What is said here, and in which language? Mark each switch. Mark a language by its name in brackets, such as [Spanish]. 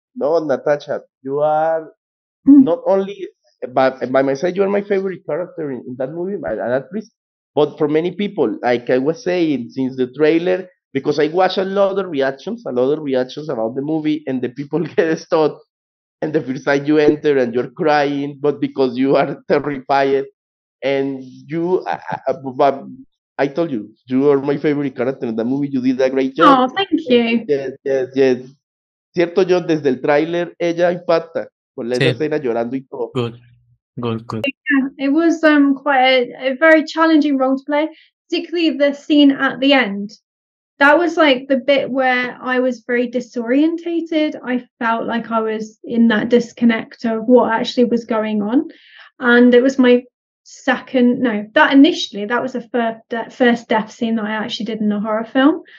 [English] No, Natasha, you are not only, by my side, you are my favorite character in that movie, and at least, but for many people, like I was saying, since the trailer, because I watched a lot of reactions about the movie, and the people get stunned, and the first time you enter and you're crying, but because you are terrified. And you, but I told you, you are my favorite character in the movie. You did a great job. Oh, thank you. Yes. [Spanish] Cierto, yo desde el tráiler ella impacta con la escena llorando y todo. [English] Good. It was quite a very challenging role to play, particularly the scene at the end. That was like the bit where I was very disorientated. I felt like I was in that disconnect of what actually was going on, and it was my first death scene that I actually did in a horror film.